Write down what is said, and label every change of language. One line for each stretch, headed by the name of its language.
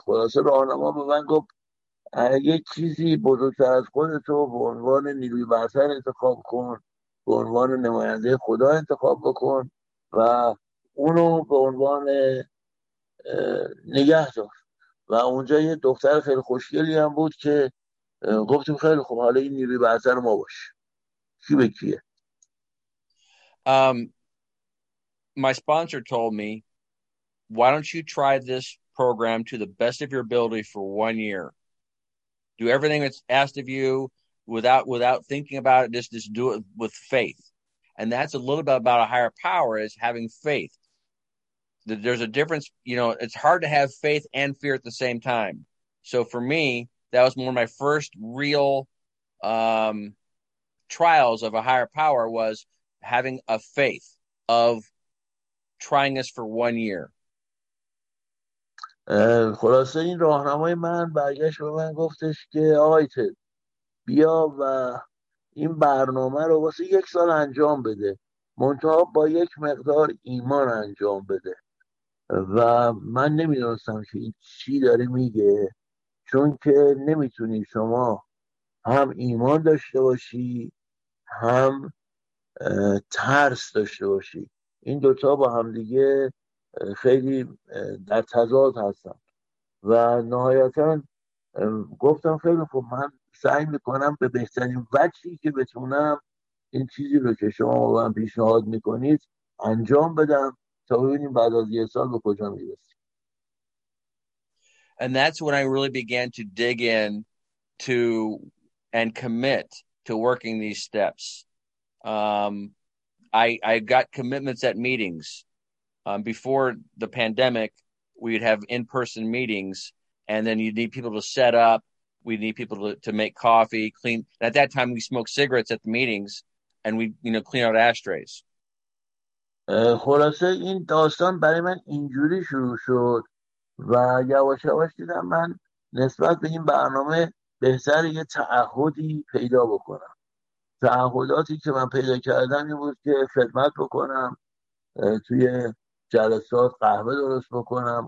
Persian: خلاصه راهنما به من گفت اگه چیزی بزرگتر از خودتو به عنوان نیروی برتر انتخاب کن، به عنوان نماینده خدا انتخاب بکن و اونو به عنوان نگه دار. و اونجا یه دختر خیلی خوشگلی هم بود که گفتم خیلی خوب، حالا این نیروی برتر ما باشه. کی به کیه؟
English: My sponsor told me, why don't you try this program to the best of your ability for 1 year? Do everything that's asked of you without thinking about it, just do it with faith. And that's a little bit about a higher power, is having faith. There's a difference, you know, it's hard to have faith and fear at the same time. So for me, that was one of my first real trials of a higher power, was having a faith of trying this for 1 year.
Persian: خلاصه این راهنمای من برگشت به من گفتش که آیتد بیا و این برنامه رو واسه یک سال انجام بده، منتها با یک مقدار ایمان انجام بده. و من نمیدونستم که این چی داره میگه، چون که نمیتونی شما هم ایمان داشته باشی هم ترس داشته باشی، این دوتا با هم دیگه خیلی در تضاد هستن. و نهایتا گفتم خیلی خوب، من سعی میکنم به بهترین وجهی که بتونم این چیزی رو که شما با من پیشنهاد میکنید انجام بدم تا ببینیم بعد از یه سال به کجا میرسیم.
English: And that's when I really began to dig in to and commit to working these steps. I got commitments at meetings. Before the pandemic, we'd have in-person meetings, and then you'd need people to set up. We need people to make coffee, clean. At that time, we smoked cigarettes at the meetings, and we, you know, clean out ashtrays.
Persian: خلاصه این داستان برای من اینجوری شروع شد و یواش یواش دیدم من نسبت به این برنامه بهتر یه تعهدی پیدا بکنم. تعهداتی که من پیدا کردم این بود که خدمت بکنم، توی جلسات قهوه درست بکنم.